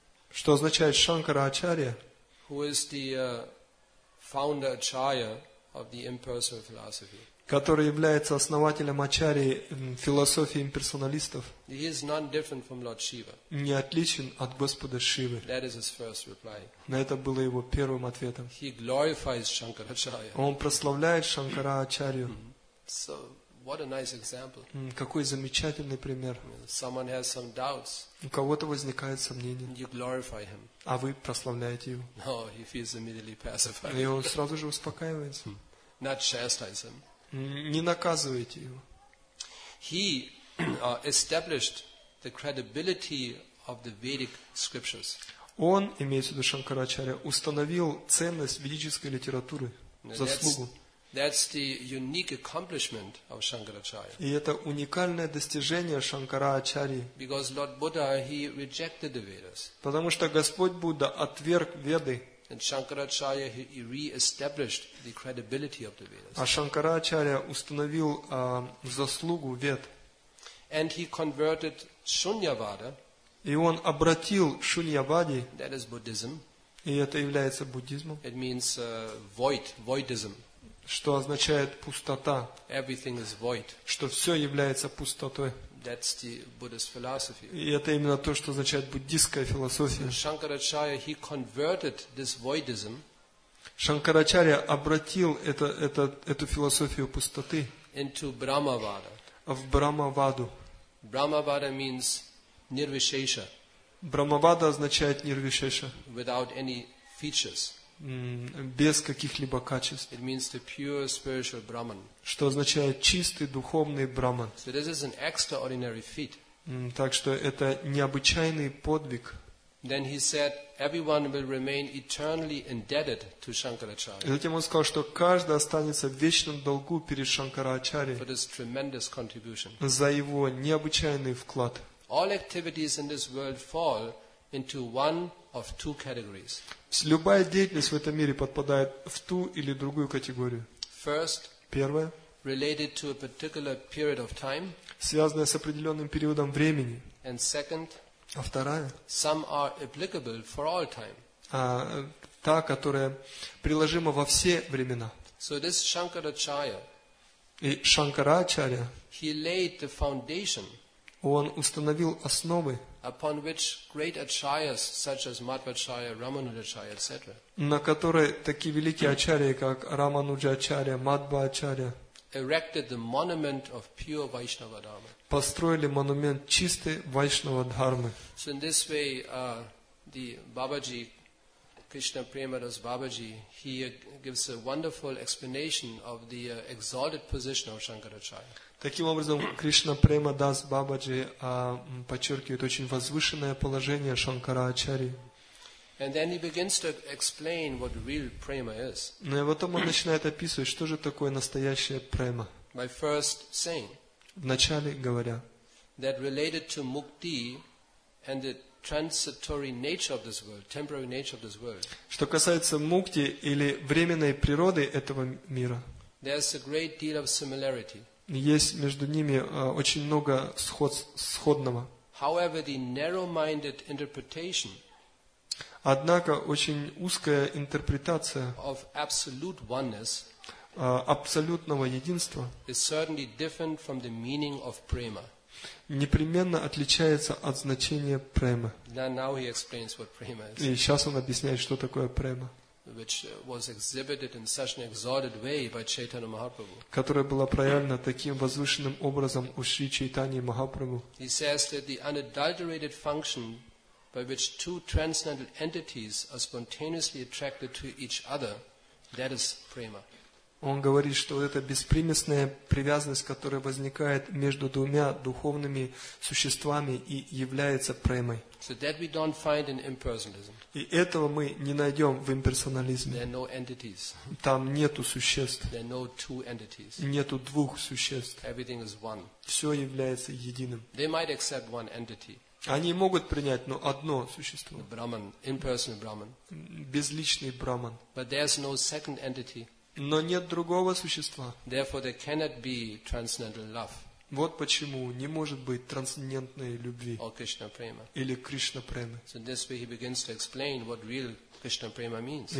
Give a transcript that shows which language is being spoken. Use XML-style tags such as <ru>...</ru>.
<ru>Что означает Шанкара Ачарья?</ru> <en>Who is the founder Ачарья of the impersonal philosophy.</en> <ru>Который является основателем ачарьи философии имперсоналистов,</ru> <en>he is not different from Lord Shiva.</en> <ru>Не отличен от Господа Шивы.</ru> <en>That is his first reply.</en> <ru>Но это было его первым ответом.</ru> <en>He glorifies Shankaracharya.</en> <ru>Он прославляет Шанкара Ачарью.</ru> <en>So, What a nice example.</en> <ru>Какой замечательный пример.</ru> <en>Someone has some doubts.</en> <ru>У кого-то возникает сомнение.</ru> <en>You glorify him.</en> <ru>А вы прославляете его.</ru> <en>No, he feels immediately pacified.</en> <ru>И он сразу же успокаивается.</ru> <en>Not chastise him.</en> <ru>Не наказывайте его.</ru> <en>He established the credibility of the Vedic scriptures.</en> <ru>Он, имеется в виду Шанкарачарья, установил ценность ведической литературы, заслугу.</ru> <en>That's the unique accomplishment of Shankaracharya.</en> <ru>И это уникальное достижение Шанкарачарьи.</ru> <en>Because Lord Buddha, he rejected the Vedas.</en> <ru>Потому что Господь Будда отверг Веды.</ru> <en>And Shankaracharya, he re-established the credibility of the Vedas.</en> <ru>А Шанкарачарья установил заслугу Вед.</ru> <en>And he converted Шуньявада.</en> <ru>И он обратил Шуньяваде.</ru> <en>That is Buddhism.</en> <ru>И это является буддизмом.</ru> <en>It means void, voidism.</en> <ru>Что означает пустота.</ru> <en>Everything is void.</en> <ru>Что все является пустотой.</ru> <en>That's the Buddhist philosophy.</en> <ru>И это именно то, что означает буддистская философия.</ru> <en>Shankaracharya, he converted this voidism.</en> <ru>Шанкарачарья обратил эту философию пустоты.</ru> <en>Into Brahmavada.</en> <ru>В Брахмаваду.</ru> <en>Brahmavada means nirvishesha.</en> <ru>Брахмавада означает нирвишеша.</ru> <en>Without any features.</en> <ru>Без каких-либо качеств.</ru> <en>It means the pure spiritual Brahman.</en> <ru>Что означает чистый духовный Брахман.</ru> <en>So this is an extraordinary feat.</en> <ru>Так что это необычайный подвиг.</ru> <en>Then he said, everyone will remain eternally indebted to Shankaracharya.</en> <ru>И затем он сказал, что каждый останется в вечном долгу перед Шанкарачарьей.</ru> <en>For this tremendous contribution.</en> <ru>За его необычайный вклад.</ru> <en>All activities in this world fall into one of two categories.</en> <ru>Любая деятельность в этом мире подпадает в ту или другую категорию.</ru> <en>First,</en> <ru>первое,</ru> <en>related to a particular period of time,</en> <ru>связанное с определенным периодом времени.</ru> <en>And second,</en> <ru>а вторая,</ru> <en>some are applicable for all time.</en> <ru>А, та, которая приложима во все времена.</ru> <en>So this Shankaracharya,</en> <ru>и Шанкарачарья,</ru> <en>he laid the foundation,</en> <ru>он установил основы,</ru> <en>upon which great acharyas such as Madhvacharya, Ramanujacharya, etc.</en> <ru>На которой такие великие ачарьи, как Рамануджачарья, Мадхвачарья,</ru> <en>erected the monument of pure Vaishnava Dharma.</en> <ru>Построили монумент чистой Вайшнава Дхармы.</ru> <en>So in this way, the Babaji, Krishna Premadas Babaji, he gives a wonderful explanation of the exalted position of Shankaracharya.</en> <ru>Таким образом, Кришна Према Дас Бабаджи подчеркивает очень возвышенное положение Шанкарачарьи.</ru> <en>And then he begins to explain what real prema is.</en> <ru>Ну и потом он начинает описывать, что же такое настоящая према.</ru> <en>By first saying,</en> <ru>вначале говоря,</ru> <en>that related to mukti and the transitory nature of this world, temporary nature of this world.</en> <ru>Что касается мукти или временной природы этого мира,</ru> <en>there's a great deal of similarity.</en> <ru>Есть между ними очень много сходного.</ru> <en>However, the narrow-minded interpretation,</en> <ru>однако очень узкая интерпретация,</ru> <en>of absolute oneness,</en> <ru>абсолютного единства,</ru> <en>is certainly different from the meaning of prema.</en> <ru>Непременно отличается от значения премы.</ru> <en>Now he explains what prema is.</en> <ru>И сейчас он объясняет, что такое према.</ru> <en>Which was exhibited in such an exalted way by Chaitanya Mahaprabhu.</en> <ru>Которая была проявлена таким возвышенным образом у Шри Чайтаньи Махапрабху.</ru> <en>He says that the unadulterated function by which two transcendental entities are spontaneously attracted to each other, that is prema.</en> <ru>Он говорит, что это беспримесная привязанность, которая возникает между двумя духовными существами и является премой.</ru> <en>So that we don't find in impersonalism.</en> <ru>И этого мы не найдем в имперсонализме.</ru> <en>There are no entities.</en> <ru>Там нету существ.</ru> <en>There are no two entities.</en> <ru>Нету двух существ.</ru> <en>Everything is one.</en> <ru>Все является единым.</ru> <en>They might accept one entity.</en> <ru>Они могут принять, но одно существо.</ru> <en>The Brahman, impersonal Brahman.</en> <ru>Безличный Брахман.</ru> <en>But there is no second entity.</en> <ru>Но нет другого существа.</ru> <en>Therefore, there cannot be transcendental love.</en> <ru>Вот почему не может быть трансцендентной любви</ru> <en>or Krishna prema.</en> <ru>Или Кришна премы.</ru> <en>So in this way he begins to explain what real Krishna prema means.</en>